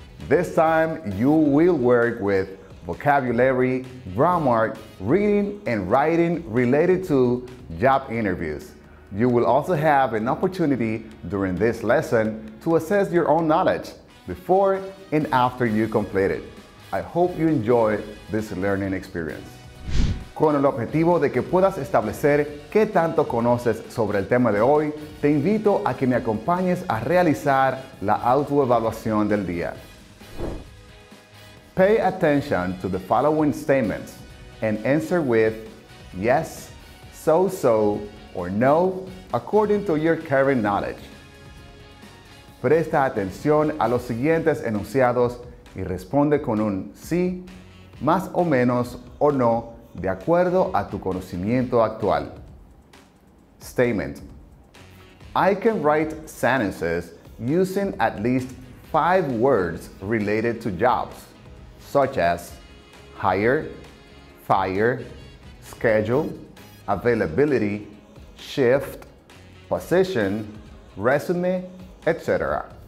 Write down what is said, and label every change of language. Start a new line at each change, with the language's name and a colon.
English: This time you will work with vocabulary, grammar, reading and writing related to job interviews. You will also have an opportunity during this lesson to assess your own knowledge before and after you complete it. I hope you enjoy this learning experience.
Spanish: Con el objetivo de que puedas establecer qué tanto conoces sobre el tema de hoy, te invito a que me acompañes a realizar la autoevaluación del día.
English: Pay attention to the following statements and answer with yes, so-so, or no, according to your current knowledge.
Spanish: Presta atención a los siguientes enunciados y responde con un sí, más o menos, o no, de acuerdo a tu conocimiento actual.
English: Statement. I can write sentences using at least 5 words related to jobs, such as hire, fire, schedule, availability, shift, position, resume, etc.